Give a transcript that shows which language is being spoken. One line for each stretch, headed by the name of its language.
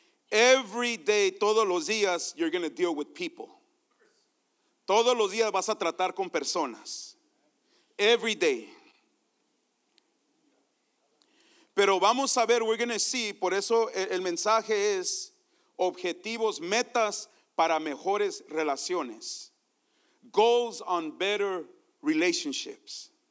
English: Every day,
Spanish: todos los días,
English: you're going to deal with people.
Spanish: Todos los días vas a tratar con personas.
English: Every day.
Spanish: Pero vamos a ver,
English: we're going to see,
Spanish: por eso el mensaje es objetivos, metas para mejores relaciones.
English: Goals on better relationships.